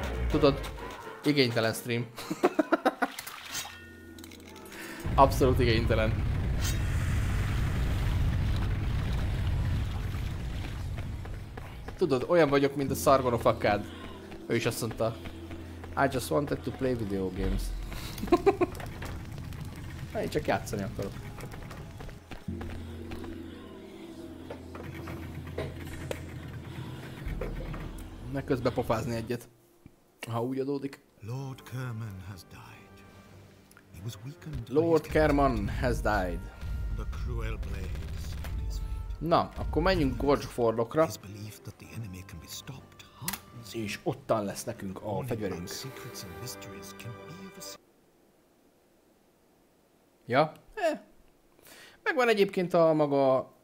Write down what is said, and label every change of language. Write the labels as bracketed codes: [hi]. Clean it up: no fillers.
[hu] Tudod, igénytelen stream. Abszolút igénytelen. Tudod, olyan vagyok, mint a Sargon of Akkad. Ő is azt mondta. [en] I just wanted to play video games. [hu] Na, én csak játszani akarok. Meg közben pofázni egyet, ha úgy adódik. [en] Lord Kerman has died. He was weakened. Lord Kerman has died. The cruel blade is in his fate. [hu] Na, akkor menjünk Gorge Fordokra. [en] His belief that the enemy can be stopped, huh? [hu] És ottan lesz nekünk a fegyverünk. [en] Secrets and mysteries can be of a... [hu] Ja? Megvan egyébként a maga...